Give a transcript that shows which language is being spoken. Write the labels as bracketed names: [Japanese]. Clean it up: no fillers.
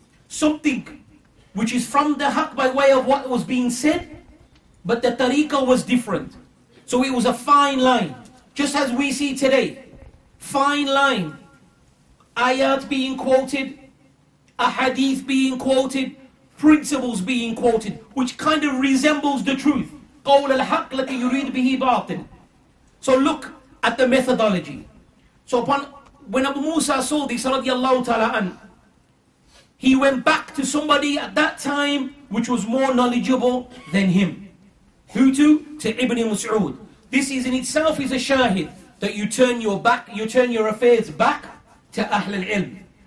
[English] Something which is from the haq by way of what was being said, but the tariqah was different. So it was a fine line. Just as we see today, fine line. Ayat being quoted, a hadith being quoted, principles being quoted, which kind of resembles the truth. [Arabic] قول الحق لكي يريد به باطل. [English] So look at the methodology. So when Abu Musa saw this, radiallahu ta'ala an, he went back to somebody at that time which was more knowledgeable than him. Who to Ibn Mas'ud. This is in itself is a shahid that you turn your back, you turn your affairs back to Ahl al-Ilm.